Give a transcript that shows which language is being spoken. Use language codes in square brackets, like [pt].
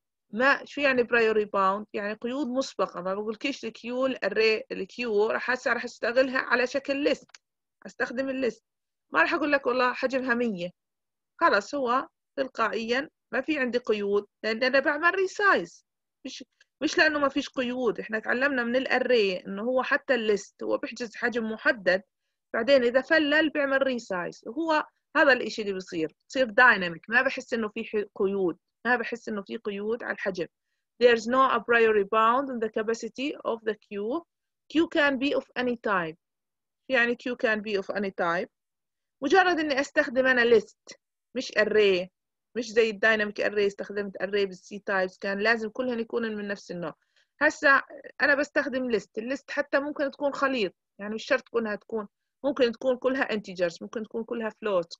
[ar] ما شو يعني [en] priori bound؟ [ar] يعني قيود مسبقة، ما بقولكش الكيو الري الكيو راح هسه راح استغلها على شكل ليست، استخدم الليست، ما راح اقول لك والله حجمها 100، خلص هو تلقائيا ما في عندي قيود، لان انا بعمل ريسايز، مش لانه ما فيش قيود. احنا تعلمنا من الري انه هو حتى الليست هو بيحجز حجم محدد، بعدين اذا فلل بيعمل ريسايز. هو هذا الاشي اللي بصير دايناميك، ما بحس انه في قيود، ما ها بحس إنه في قيود على الحجم. [en] There's no a priori bound in the capacity of the queue. Q can be of any type. يعني Q can be of any type. [ar] مجرد إني أستخدم أنا list مش array. مش زي الدايناميك array استخدمت array بالC types كان لازم كلهن يكون من نفس النوع. هسا أنا بستخدم list. list حتى ممكن تكون خليط. يعني مش شرط كلها تكون. ممكن تكون كلها integers. ممكن تكون كلها floats.